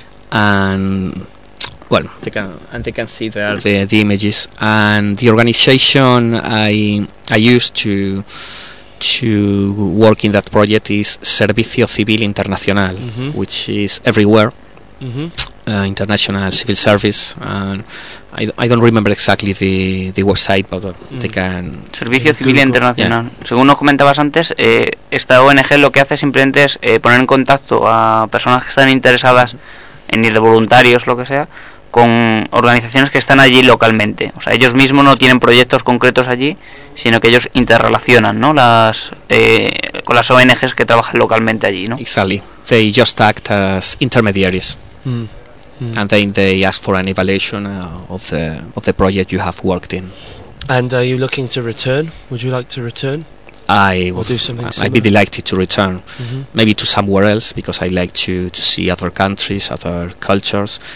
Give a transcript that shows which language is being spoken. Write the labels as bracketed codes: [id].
[en] And well, they can see there the images, and the organization I used to work in that project is Servicio Civil Internacional, which is everywhere, international civil service. And I don't remember exactly the website, but they can. [es] Servicio Civil Internacional. Yeah. Según nos comentabas antes, esta ONG lo que hace simplemente es poner en contacto a personas que están interesadas en ir de voluntarios, lo que sea, con organizaciones que están allí localmente. O sea, ellos mismos no tienen proyectos concretos allí, sino que ellos interrelacionan, ¿no? Con las ONGs que trabajan localmente allí, ¿no? [en] Exactly. They just act as intermediaries. And then they ask for an evaluation of the project you have worked in. And are you looking to return? Would you like to return? I'd be delighted to return, maybe to somewhere else, because I like to see other countries, other cultures.